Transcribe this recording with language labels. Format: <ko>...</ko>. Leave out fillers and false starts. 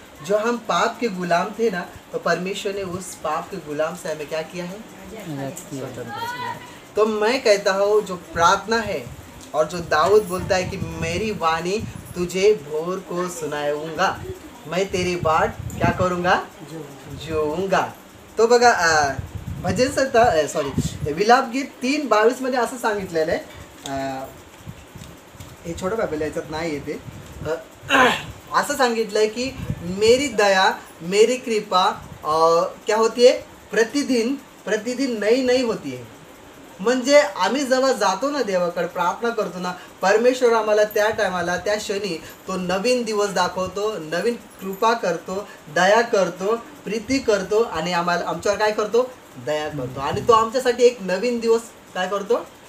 <hi>जो हम पाप के गुलाम थे ना, तो परमेश्वर ने उस पाप के गुलाम से हमें क्या किया है? स्वतंत्र किया। तो मैं कहता हूँ जो प्रार्थना है और जो दाऊद बोलता है कि मेरी वाणी तुझे भोर को सुनाऊंगा, मैं तेरी बाट क्या करूंगा? जोऊंगा।</hi> <mr>तो बघा भजन संहिता सॉरी विलाप गीत 3:22 मध्ये असं सांगितलेलं आहे, हे छोटं बायबल याच्यात नाही येते, असं सांगितलंय की</mr> <hi>मेरी दया मेरी कृपा क्या होती है? प्रतिदिन प्रतिदिन नई नई होती है।</hi> <mr>म्हणजे आम्ही जेव्हा जातो ना देवाकडे, प्रार्थना करतो ना, परमेश्वर आम्हाला त्या टायमाला त्या क्षणी तो नवीन दिवस दाखवतो, नवीन कृपा करतो, दया करतो, प्रीती करतो, आणि आम्हाला आमच्यावर काय करतो? दया करतो, आणि तो आमच्यासाठी एक नवीन दिवस काय करतो?</mr>